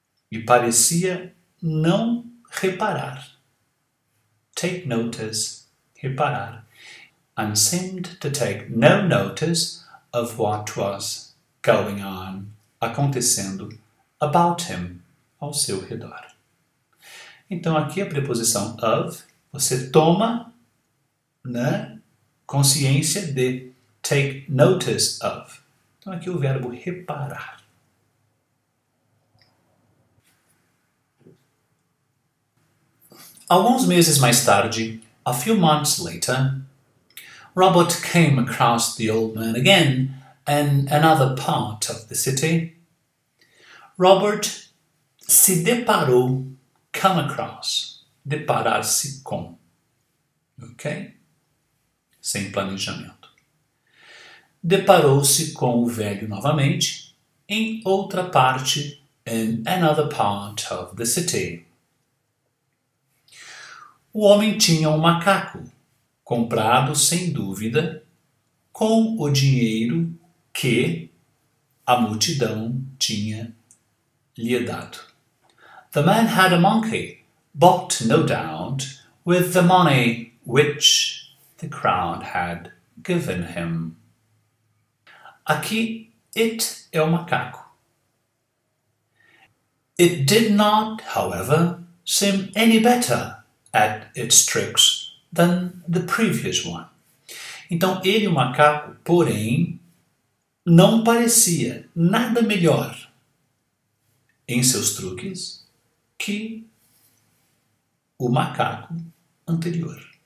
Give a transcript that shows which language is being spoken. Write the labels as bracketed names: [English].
[Portuguese] E parecia não reparar. [English] Take notice, reparar. And seemed to take no notice of what was going on, acontecendo about him, [Portuguese] ao seu redor. Então aqui a preposição of, você toma, né, consciência de [English] take notice of. [Portuguese] Então, aqui o verbo reparar. Alguns meses mais tarde, [English] a few months later, Robert came across the old man again in another part of the city. [Portuguese] Robert se deparou, [English] come across, [Portuguese] deparar-se com. Ok? Sem planejamento. Deparou-se com o velho novamente em outra parte [English] in another part of the city. [Portuguese] O homem tinha um macaco, comprado sem dúvida, com o dinheiro que a multidão tinha lhe dado. [English] The man had a monkey, bought no doubt, with the money which the crowd had given him. [Portuguese] Aqui, it é o macaco. [English] It did not, however, seem any better at its tricks than the previous one. [Portuguese] Então, ele, o macaco, porém, não parecia nada melhor em seus truques que o macaco anterior.